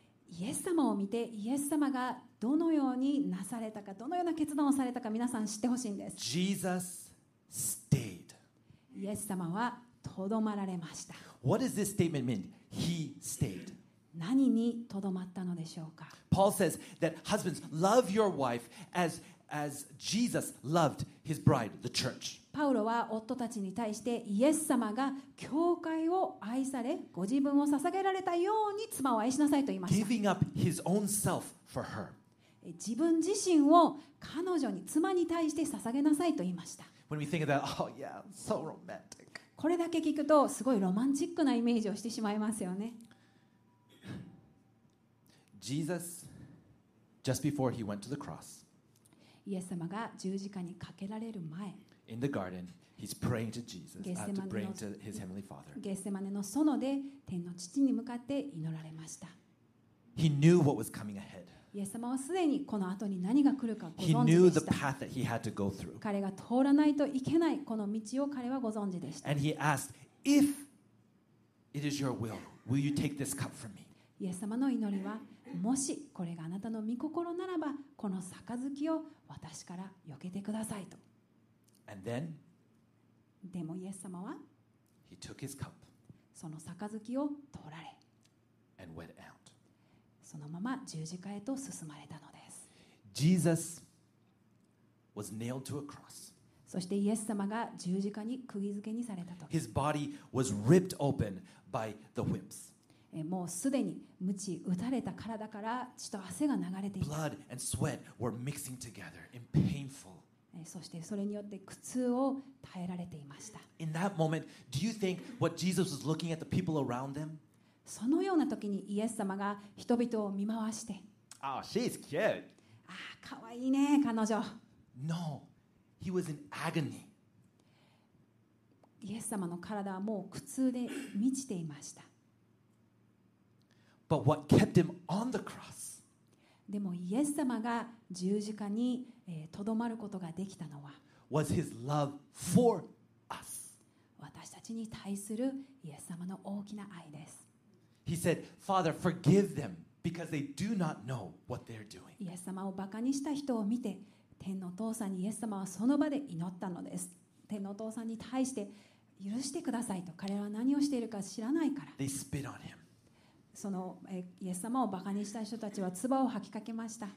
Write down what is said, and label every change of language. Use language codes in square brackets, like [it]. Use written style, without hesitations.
[ja] イエス様を見て、イエス様がどのようになされたか、どのような決断をされたか、皆さん知ってほしいんです。 [en] Jesus stayed. [ja] イエス様はとどまられました。 [en] What does this statement mean? He stayed. [ja] 何にとどまったのでしょうか。 [en] Paul says that husbands love your wife as Jesus loved his bride, the church. [ja] パウロは夫たちに対してイエス様が教会を愛されご自分を捧げられたように妻を愛しなさいと言いました。 [en] Giving up his own self for her. [ja] 自分自身を彼女に妻に対して捧げなさいと言いました。 [en] When we think of that, oh yeah, so romantic. [ja] これだけ聞くとすごいロマンチックなイメージをしてしまいますよね。 [en] Jesus, just before he went to the cross, [ja] イエス様が十字架にかけられる前、 [en] in the garden, he's praying to Jesus, praying to his heavenly father. [ja] ゲッセマネの園で天の父に向かって祈られました。 [en] He knew what was coming ahead. [ja] イエス様はすでにこの後に何が来るかご存知でした。 [en] He knew the path that he had to go through. [ja] 彼が通らないといけないこの道を彼はご存知でした。 [en] And he asked, "If it is your will, will you take this cup from me?" [ja] イエス様の祈りは、もしこれがあなたの御心ならばこの杯を私から避けてくださいと。 [en] And then, [ja] でもイエス様は [en] he took his cup, [ja] その杯を取られ [en] and went out. [ja] そのまま十字架へと進まれたのです。 [en] Jesus was nailed to a cross. [ja] そしてイエス様が十字架に釘付けにされたと。 [en] His body was ripped open by the whips. [ja] もうすでに鞭打たれた体から血と汗が流れています。 [en] Blood and sweat were mixing together in painful. [ja] そしてそれによって苦痛を耐えられていました。 [en] In that moment, do you think what Jesus was looking at the people around them? [ja] そのような時にイエス様が人々を見回して、 [en] Oh, she's cute. [ja] ああ、かわいいね、彼女。 [en] No, he was in agony. [ja] イエス様の体はもう苦痛で満ちていました。 [en] But what kept him on the cross? [ja] でもイエス様が十字架にとどまることができたのは、 [en] was his love for us. [ja] 私たちに対するイエス様の大きな愛です。 [en] He said, "Father, forgive them because they do not know what they're doing." [ja] イエス様をバカにした人を見て、天の父さんにイエス様はその場で祈ったのです。天の父さんに対して許してくださいと、彼らは何をしているか知らないから。 [en] They spit on him. [ja] そのイエス様をバカにした人たちは唾を吐きかけました。